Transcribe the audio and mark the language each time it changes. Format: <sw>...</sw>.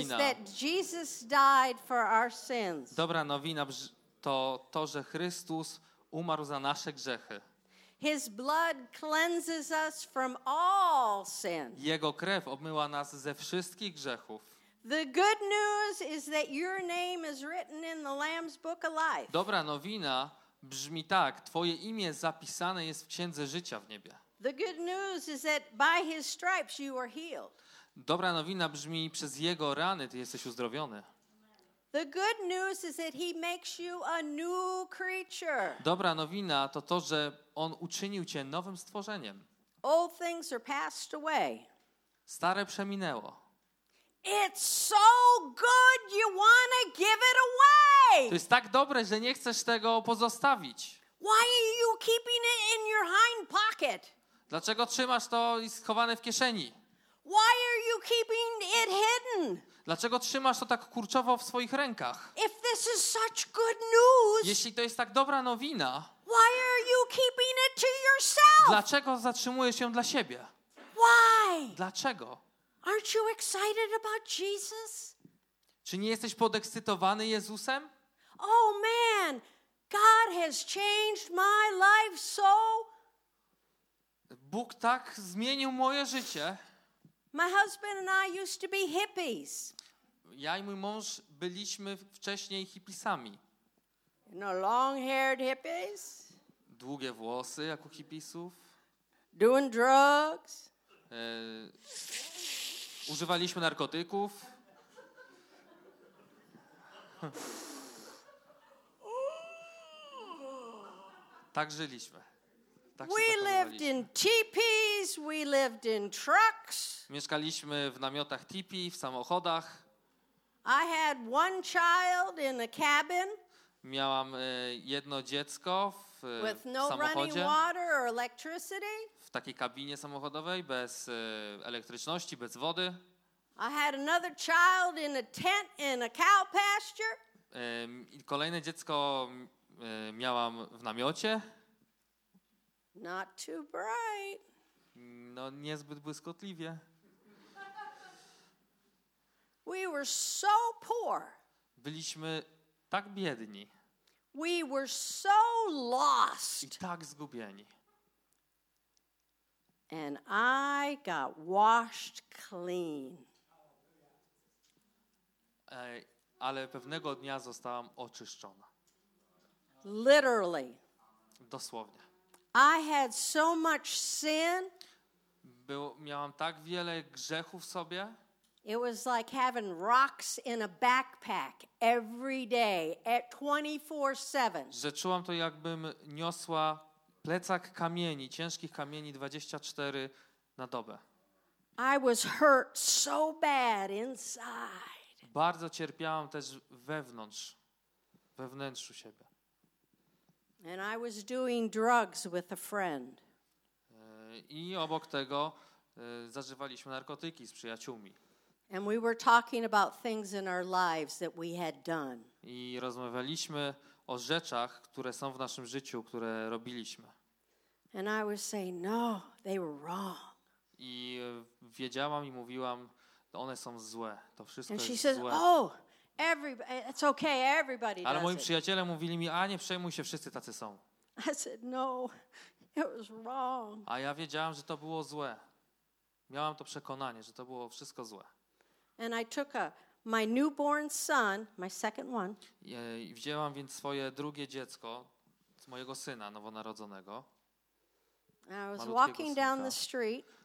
<en>Is that Jesus died for our sins.</en> <pl>Dobra nowina to to, że Chrystus umarł za nasze grzechy.</pl> <en>His blood cleanses us from all sin.</en> <pl>Jego krew obmyła nas ze wszystkich grzechów.</pl> <en>The good news is that your name is written in the Lamb's Book of Life.</en> <pl>Dobra nowina brzmi tak, twoje imię zapisane jest w Księdze Życia w niebie.</pl> <en>The good news is that by his stripes you are healed.</en> <pl>Dobra nowina brzmi, przez jego rany ty jesteś uzdrowiony.</pl> <en>The good news is that he makes you a new creature.</en> <pl>Dobra nowina to to, że on uczynił cię nowym stworzeniem.</pl> <en>Old things are passed away.</en> <pl>Stare przeminęło.</pl> <en>It's so good you want to give it away.</en> <pl>To jest tak dobre, że nie chcesz tego pozostawić.</pl> <en>Why are you keeping it in your hind pocket?</en> <pl>Dlaczego trzymasz to schowane w kieszeni?</pl> <en>Why are you keeping it hidden?</en> <pl>Dlaczego trzymasz to tak kurczowo w swoich rękach?</pl> <en>If this is such good news,</en> <pl>jeśli to jest tak dobra nowina,</pl> <en>why are you keeping it to yourself?</en> <pl>Dlaczego zatrzymujesz ją dla siebie?</pl> <en>Why?</en> <pl>Dlaczego?</pl> <en>Aren't you excited about Jesus?</en> <pl>Czy nie jesteś podekscytowany Jezusem?</pl> <en>Oh man, God has changed my life so.</en> <pl>Bóg tak zmienił moje życie.</pl> <en>My husband and I used to be hippies.</en> <pl>Ja i mój mąż byliśmy wcześniej hippisami.</pl> <en>You know, long-haired hippies.</en> <pl>Długie włosy jak u hippisów.</pl> <en>Doing drugs.</en> <pl>Używaliśmy narkotyków. Tak żyliśmy. Tak</pl> <en>we lived in teepees, we lived in trucks.</en> <pl>Mieszkaliśmy w namiotach tipi, w samochodach.</pl> <en>I had one child in a cabin.</en> <pl>Miałam jedno dziecko w</pl> <en>with no</en> <pl>samochodzie,</pl> <en>water or electricity.</en> <pl>W takiej kabinie samochodowej bez elektryczności, bez wody.</pl> <en>I had another child in a tent in a cow pasture.</en> <pl>Kolejne dziecko miałam w namiocie.</pl> <en>Not too bright.</en> <pl>No, niezbyt błyskotliwie.</pl> <en>We were so poor.</en> <pl>Byliśmy tak biedni.</pl> <en>We were so lost.</en> <pl>I tak zgubieni.</pl> <en>And I got washed clean.</en> <pl>Ale pewnego dnia zostałam oczyszczona.</pl> <en>Literally.</en> <pl>Dosłownie.</pl> <en>I had so much sin.</en> <pl>Miałam tak wiele grzechów w sobie.</pl> <en>It was like having rocks in a backpack every day at 24/7.</en> <pl>Że czułam to, jakbym niosła plecak kamieni, ciężkich kamieni 24 na dobę.</pl> <en>I was hurt so bad inside.</en> <pl>Bardzo cierpiałam też wewnątrz, we wnętrzu siebie.</pl> <en>And I was doing drugs with a friend.</en> <pl>I obok tego zażywaliśmy narkotyki z przyjaciółmi.</pl> <en>And we were talking about things in our lives that we had done.</en> <pl>I rozmawialiśmy o rzeczach, które są w naszym życiu, które robiliśmy.</pl> <en>And I was saying, no, they were wrong.</en> <pl>I wiedziałam i mówiłam, one są złe, to wszystko</pl> <en>and</en> <pl>jest</pl> <en>she</en> <pl>złe.</pl> <en>Says, oh, everybody, it's okay, everybody.</en> <pl>Ale moi</pl> <en>does</en> <pl>przyjaciele</pl> <en>it</en> <pl>mówili mi, a nie przejmuj się, wszyscy tacy są.</pl> <en>I said, no, it was wrong.</en> <pl>A ja wiedziałam, że to było złe. Miałam to przekonanie, że to było wszystko złe.</pl> <en>And I took my newborn son, my second one.</en> <pl>I wzięłam więc swoje drugie dziecko, mojego syna nowonarodzonego.</pl> <en>I was walking down the street.</en>